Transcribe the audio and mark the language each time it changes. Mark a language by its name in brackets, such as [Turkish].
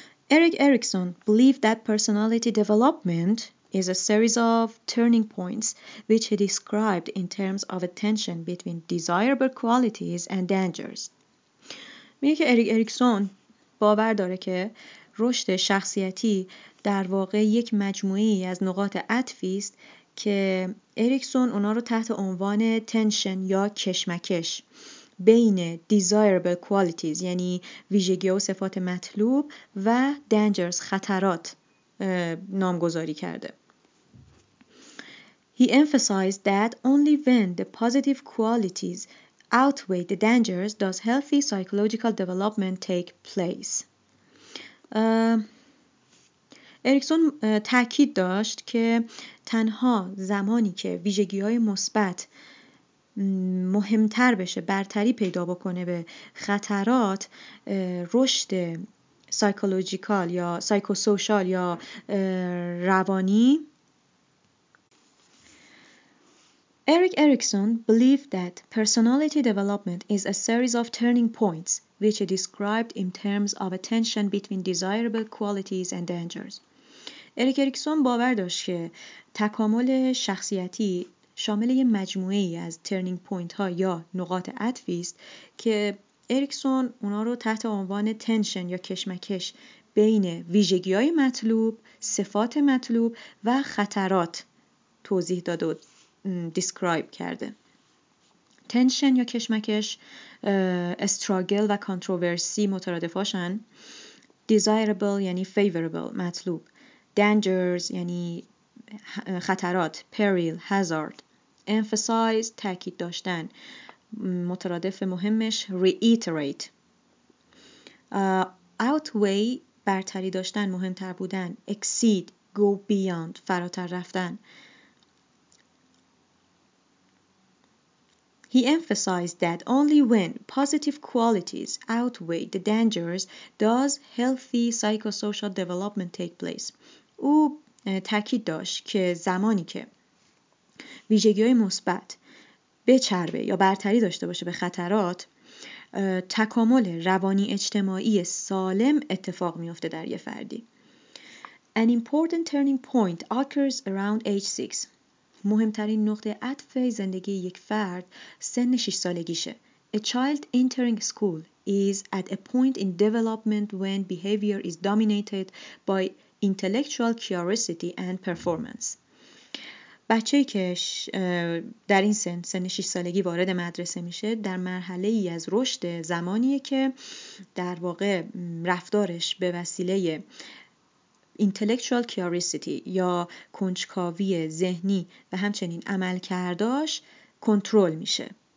[English] Erik Erikson believed that personality development is a series of turning points which he described in terms of a tension between desirable qualities and dangers. [Persian] میگه که اریک اریکسون باور داره که رشد شخصیتی در واقع یک مجموعه ای از نقاط عطفی است که اریکسون اونا رو تحت عنوان تنشن یا کشمکش بین [English] desirable qualities [Persian] یعنی ویژگی و صفات مطلوب و dangers خطرات نامگذاری کرده. [English] He emphasized that only when the positive qualities outweigh the dangers does healthy psychological development take place. [Persian] اریکسون تاکید داشت که تنها زمانی که ویژگی‌های مثبت مهمتر بشه، برتری پیدا بکنه به خطرات، رشد سایکولوژیکال یا سایکوسوشال یا روانی. [English] Erik Erikson believed that personality development is a series of turning points which he described in terms of a tension between desirable qualities and dangers. [Persian] اریک اریکسون باور داشت که تکامل شخصیتی شامل یه مجموعه ای از ترنینگ پوینت ها یا نقاط عطفی است که اریکسون اونا رو تحت عنوان تنشن یا کشمکش بین ویژگی های مطلوب، صفات مطلوب و خطرات توضیح داد و دیسکرایب کرده. تنشن یا کشمکش استراگل و کانتروورسی مترادف هاشن. دیزایربل یعنی فیوربل مطلوب. دنجرز یعنی خطرات، پریل، هزارد. امفسایز تاکید داشتن، مترادف مهمش ریئیتریت. اوتوی برتری داشتن، مهمتر بودن، اکسید، گو بیاند، فراتر رفتن. [English] He emphasized that only when positive qualities outweigh the dangers does healthy psychosocial development take place. [Persian] او تاکید داشت که زمانی که ویژگی‌های مثبت بچربه یا برتری داشته باشه به خطرات، تکامل روانی اجتماعی سالم اتفاق می‌افته در یه فردی. [English] An important turning point occurs around age 6. [Persian] مهمترین نقطه عطف زندگی یک فرد سن 6 سالگیشه. [English] A child entering school is at a point in development when behavior is dominated by intellectual curiosity and performance. [Persian] بچه‌ای که در این سن، سن 6 سالگی وارد مدرسه میشه، در مرحله ای از رشد زمانیه که در واقع رفتارش به وسیله [English] intellectual curiosity [Persian] یا کنجکاوی ذهنی و همچنین عمل کرداش کنترل میشه.